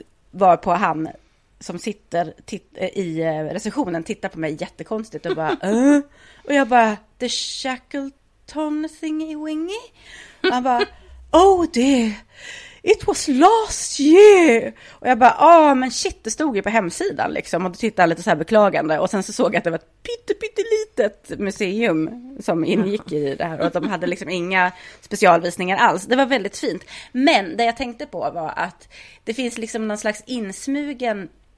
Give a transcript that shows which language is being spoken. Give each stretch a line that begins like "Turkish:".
Swedish: Var på han som sitter i receptionen, tittar på mig jättekonstigt och bara och jag bara,
English: the Shackleton thingy wingy.
Swedish: Och han bara,
English: oh dear, it was last year.
Swedish: Och jag bara, ah, men shit, det stod ju på hemsidan liksom, och då tittade jag lite så här beklagande, och sen så såg jag att det var ett pyttelitet museum som ingick i det här, och att de hade liksom inga specialvisningar alls. Det var väldigt fint, men det jag tänkte på var att det finns liksom någon slags insmugen.